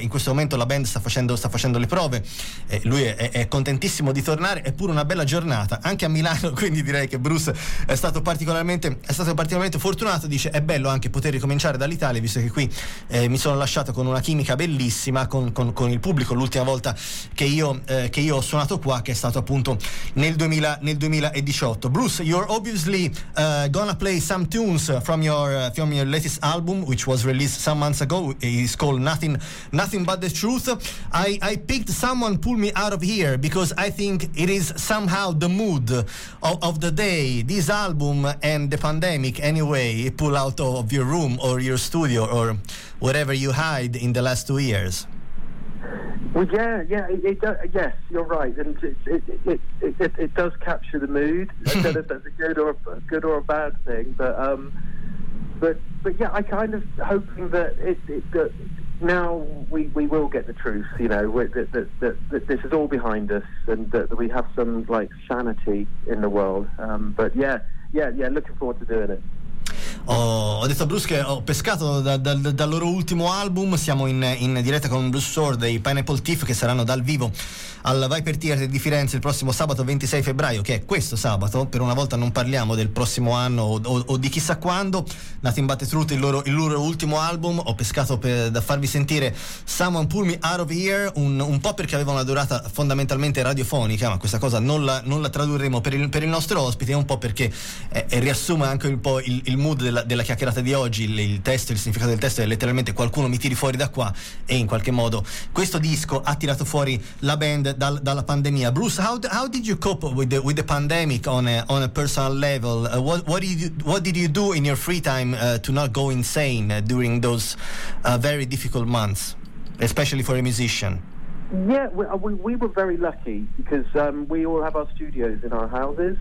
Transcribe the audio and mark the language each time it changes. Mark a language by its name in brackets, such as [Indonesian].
[Italian] In questo momento la band sta facendo le prove, lui è contentissimo di tornare, è pure una bella giornata anche a Milano, quindi direi che Bruce è stato particolarmente fortunato. Dice: è bello anche poter ricominciare dall'Italia, visto che qui mi sono lasciato con una chimica bellissima con il pubblico l'ultima volta che io ho suonato qua, che è stato appunto nel 2018. [English] Bruce, you're obviously gonna play some tunes from your latest album, which was released some months ago. It's called Nothing But The Truth. I picked someone pull me out of here because I think it is somehow the mood of the day. This album and the pandemic, anyway, it pulled out of your room or your studio or whatever you hide in the last 2 years. Well, yes, you're right, and it does capture the mood. That's a good or a bad thing, but yeah, I kind of hoping that now we will get the truth, you know, that this is all behind us, and that we have some like sanity in the world. But yeah, looking forward to doing it. [Italian] Ho detto a Bruce che ho pescato dal loro ultimo album. Siamo in diretta con Bruce Sword dei Pineapple Thief, che saranno dal vivo al Viper Theater di Firenze il prossimo sabato 26 febbraio, che è questo sabato. Per una volta non parliamo del prossimo anno o di chissà quando. Nothing But The Truth, il loro ultimo album. Ho pescato da farvi sentire Someone Pull Me Out of Here, un po' perché aveva una durata fondamentalmente radiofonica, ma questa cosa non la tradurremo per il nostro ospite, e un po' perché riassume anche un po' il mood della chiacchierata di oggi. Il testo, il significato del testo è letteralmente: qualcuno mi tiri fuori da qua. E in qualche modo questo disco ha tirato fuori la band dalla pandemia. [English] Bruce, how did you cope with the pandemic on a personal level? What did you do in your free time to not go insane during those very difficult months, especially for a musician? Yeah, we were very lucky because we all have our studios in our houses.